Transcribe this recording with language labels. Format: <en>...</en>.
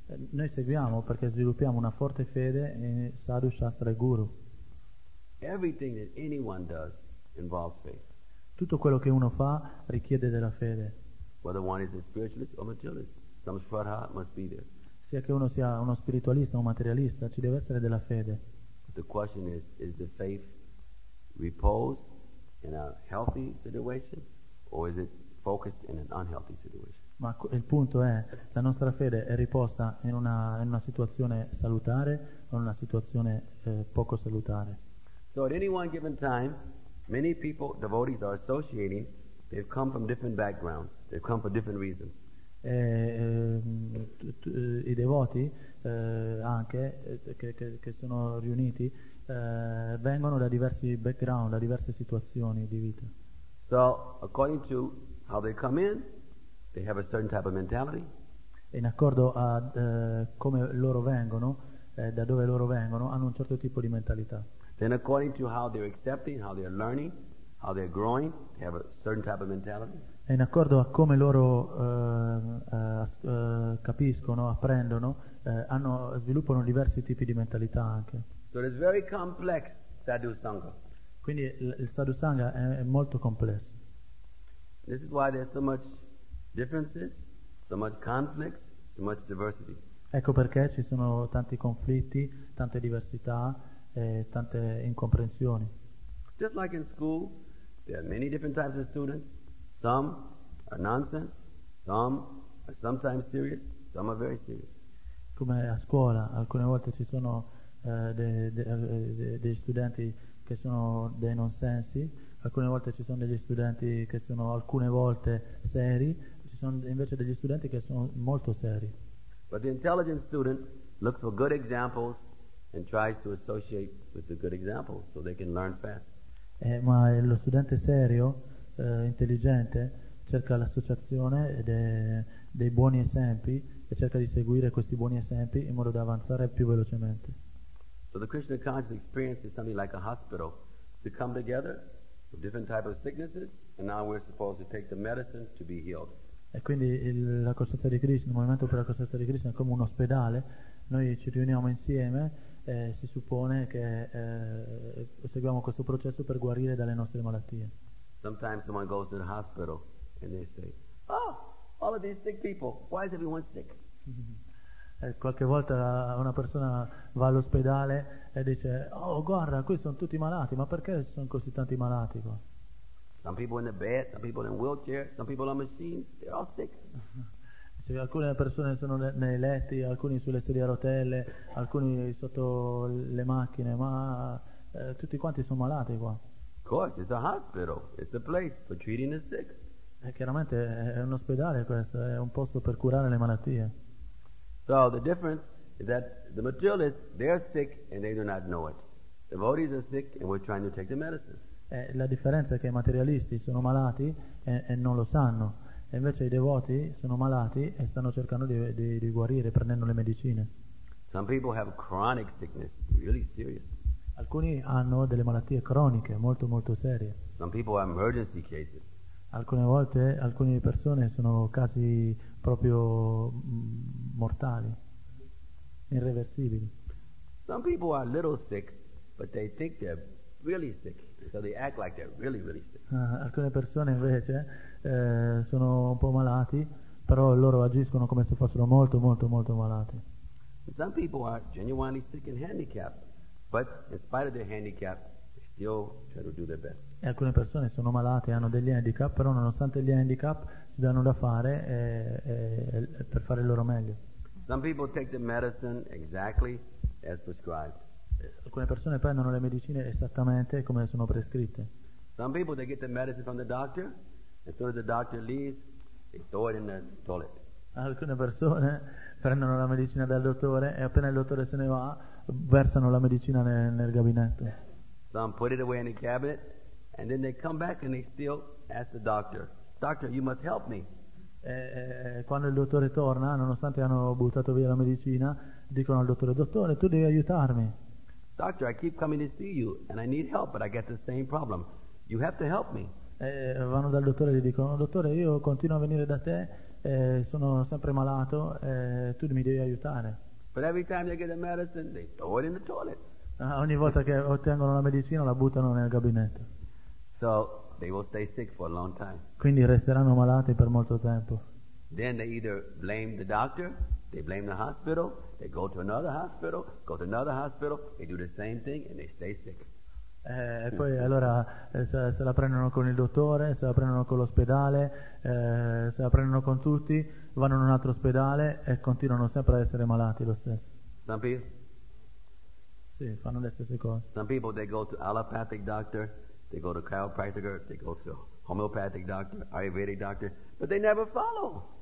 <it>Noi seguiamo perché sviluppiamo una forte fede in Sadhu, Shastra e Guru.</it> <en>Everything that anyone does involves faith.</en> <it>Tutto quello che uno fa richiede della fede.</it> <en>Whether one is a spiritualist or materialist, some shraddha must be there.</en> <it>Sia che uno sia uno spiritualista o un materialista, ci deve essere della fede.</it> <en>The question is the faith reposed in a healthy situation or is it focused in an unhealthy situation?</en> <it>Ma il punto è, la nostra fede è riposta in una situazione salutare o in una situazione poco salutare?</it> <en>So at any one given time, Many people, devotees are associating. They've come from different backgrounds. They've come for different reasons.</en> <it>I devoti anche che sono riuniti vengono da diversi background, da diverse situazioni di vita.</it> <en>So, according to how they come in, they have a certain type of mentality.</en> <it>In accordo a come loro vengono, da dove loro vengono, hanno un certo tipo di mentalità.</it> <en>Then according to how they're accepting, how they're learning, how they're growing, they have a certain type of mentality.</en> <it>E in accordo a come loro capiscono, apprendono, sviluppano diversi tipi di mentalità anche.</it> <en>So it's very complex, sadhu sangha.</en> <it>Quindi il sadhu sangha è molto complesso.</it> <en>This is why there's so much differences, so much conflicts, so much diversity.</en> <it>Ecco perché ci sono tanti conflitti, tante diversità e tante incomprensioni.</it> <en>Just like in school, there are many different types of students. Some are nonsense, some are sometimes serious, some are very serious.</en> <it>Come a scuola, alcune volte ci sono degli studenti che sono dei nonsensi, alcune volte ci sono degli studenti che sono alcune volte seri, ci sono invece degli studenti che sono molto seri.</it> <en>But the intelligent student looks for good examples and tries to associate with the good examples so they can learn fast.</en> <it>Ma lo studente serio, intelligente, cerca l'associazione dei buoni esempi e cerca di seguire questi buoni esempi in modo da avanzare più velocemente.</it> <en>So the Krishna conscious experience is something like a hospital to come together with different types of sicknesses, and now we're supposed to take the medicine to be healed.</en> <it>E quindi la coscienza di Krishna, il movimento per la coscienza di Krishna è come un ospedale. Noi ci riuniamo insieme e si suppone che seguiamo questo processo per guarire dalle nostre malattie.</it> <en>Sometimes someone goes to the hospital and they say, "Oh, all of these sick people. Why is everyone sick?"</en> <it>Qualche volta una persona va all'ospedale e dice, "Oh, guarda, qui sono tutti malati. Ma perché sono così tanti malati qua?"</it> <en>Some people in the bed, some people in wheelchair, some people on machines. They're all sick.</en> <it>Se alcune persone sono nei letti, alcuni sulle sedie a rotelle, alcuni sotto le macchine, ma tutti quanti sono malati qua.</it> <en>Of course, it's a hospital. It's a place for treating the sick.</en> <it>E chiaramente è un ospedale questo, è un posto per curare le malattie.</it> <en>So the difference is that the materialists, they're sick and they do not know it. The devotees are sick and we're trying to take the medicine.</en> <it>E la differenza è che i materialisti sono malati e non lo sanno. E invece i devoti sono malati e stanno cercando di guarire prendendo le medicine.</it> <en>Some people have chronic sickness, really serious.</en> <it>Alcuni hanno delle malattie croniche molto molto serie.</it> <en>Some people have emergency cases.</en> <it>Alcune volte alcune persone sono casi proprio mortali, irreversibili.</it> <en>Some people are a little sick, but they think they're really sick, so they act like they're really really sick.</en> <it>Alcune persone invece sono un po' malati, però loro agiscono come se fossero molto molto molto malati.</it> <en>Some people are genuinely sick and handicapped, but in spite of their handicap, they still try to do their best.</en> <it>E alcune persone sono malate, hanno degli handicap, però nonostante gli handicap si danno da fare per fare il loro meglio.</it> <en>Some people take the medicine exactly as prescribed.</en> <it>Alcune persone prendono le medicine esattamente come sono prescritte.</it> <en>Some people they get the medicine from the doctor. As soon as the doctor leaves, they throw it in the toilet.</en> <it>Alcune persone prendono la medicina dal dottore e appena il dottore se ne va, versano la medicina nel gabinetto.</it> <en>Some put it away in the cabinet, and then they come back and they still ask the doctor, "Doctor, you must help me."</en> <it>Quando il dottore torna, nonostante hanno buttato via la medicina, dicono al dottore, "Dottore, tu devi aiutarmi."</it> <en>"Doctor, I keep coming to see you, and I need help, but I get the same problem. You have to help me."</en> <it>Vanno dal dottore e gli dicono, "Dottore, io continuo a venire da te, sono sempre malato, tu mi devi aiutare."</it> <en>But every time they get the medicine, they throw it in the toilet.</en> <it>Ogni volta che ottengono la medicina, la buttano nel gabinetto.</it> <en>So they will stay sick for a long time.</en> <it>Quindi resteranno malati per molto tempo.</it> <en>Then they either blame the doctor, they blame the hospital, they go to another hospital, go to another hospital, they do the same thing and they stay sick.</en> <it>E poi allora se la prendono con il dottore, se la prendono con l'ospedale, se la prendono con tutti, vanno in un altro ospedale e continuano sempre ad essere malati lo stesso.</it> <en>Some people?</en> <it>Sì, fanno le stesse cose.</it> <en>Some people they go to allopathic doctor, They go to chiropractic, they go to homeopathic doctor, Ayurvedic doctor, but they never follow.</en>